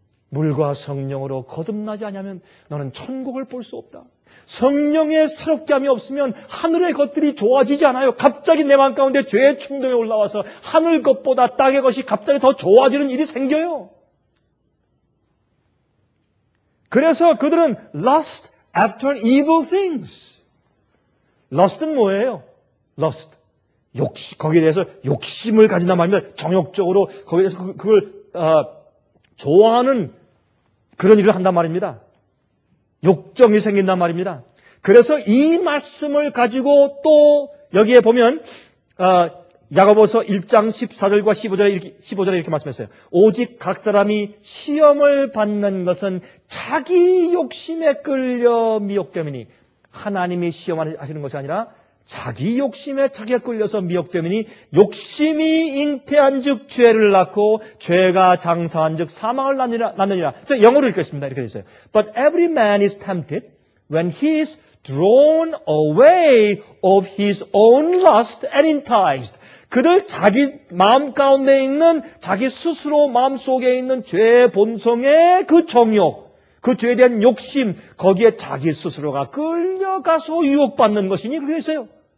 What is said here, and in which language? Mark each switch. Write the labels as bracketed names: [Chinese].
[Korean] 물과 성령으로 거듭나지 않으면 너는 천국을 볼 수 없다. 성령의 새롭게 함이 없으면 하늘의 것들이 좋아지지 않아요. 갑자기 내 마음 가운데 죄의 충동이 올라와서 하늘 것보다 땅의 것이 갑자기 더 좋아지는 일이 생겨요. 그래서 그들은 [English] lust after evil things. [Korean] lust은 뭐예요? lust. 욕심, 거기에 대해서 욕심을 가진다 말면 정욕적으로 거기에 대해서 그걸 좋아하는 그런 일을 한단 말입니다. 욕정이 생긴단 말입니다. 그래서 이 말씀을 가지고 또 여기에 보면 야고보서 1장 14절과 15절에 이렇게 말씀했어요. 오직 각 사람이 시험을 받는 것은 자기 욕심에 끌려 미혹되미니 하나님이 시험하시는 것이 아니라 자기 욕심에 자기가 끌려서 미혹되미니 욕심이 잉태한 즉 죄를 낳고 죄가 장사한 즉 사망을 낳느니라. 영어로 읽겠습니다. 이렇게 되어 있어요. [English] But every man is tempted when he is drawn away of his own lust and enticed. [Korean] 그들 자기 마음 가운데 있는 자기 스스로 마음 속에 있는 죄의 본성의 그 정욕. 그 죄에 대한 욕심, 거기에 자기 스스로가 끌려가서 유혹받는 것이니 그렇게 있어요.